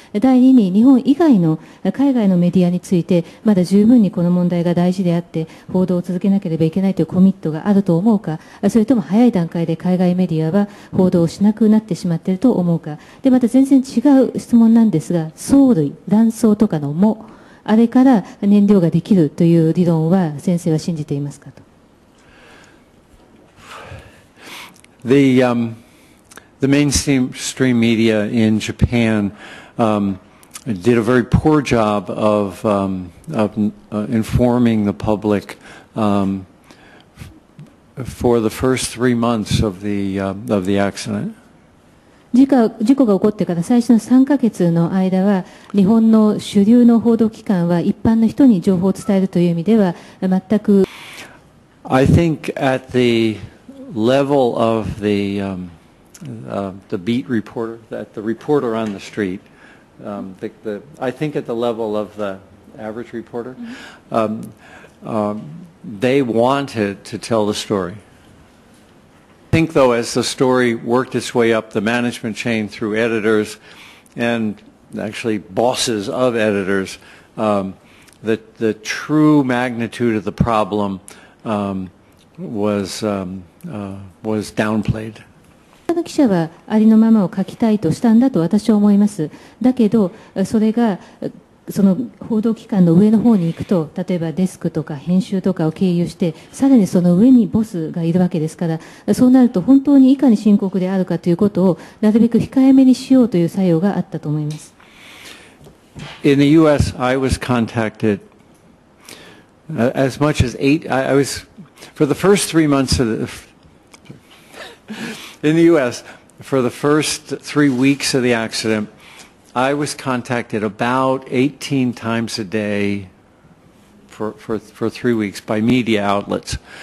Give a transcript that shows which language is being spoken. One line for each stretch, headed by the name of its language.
Japanese: 第二に、日本以外の海外のメディアについて、まだ十分にこの問題が大事であって、報道を続けなければいけないというコミットがあると思うか、それとも早い段階で海外メディアは報道をしなくなってしまっていると思うか。でまた全然違う質問なんですが、藻類、卵巣とかの藻、あれから燃料ができるという理論は先生は信じていますかと。
English: The mainstream media in Japan did a very poor job of informing the public for the first three months of the accident.
Japanese: 事故が起こってから最初の3ヶ月の間は、日本の主流の報道機関は一般の人に情報を伝えるという意味では全く。
English: I think at the level of the, the beat reporter, that the reporter on the street, I think at the level of the average reporter, they wanted to tell the story. I think, though, as the story worked its way up the management chain through editors and actually bosses of editors, the true magnitude of the problem was downplayed.
Japanese: 他の記者はありのままを書きたいとしたんだと私は思います。だけどそれがその報道機関の上の方に行くと、例えばデスクとか編集とかを経由して、さらにその上にボスがいるわけですから、そうなると本当にいかに深刻であるかということをなるべく控えめにしようという作用があったと思います。
English: In the US, I was contacted as much as eight. I was for the first three months of the. In the U.S., for the first three weeks of the accident, I was contacted about 18 times a day for three weeks by media outlets.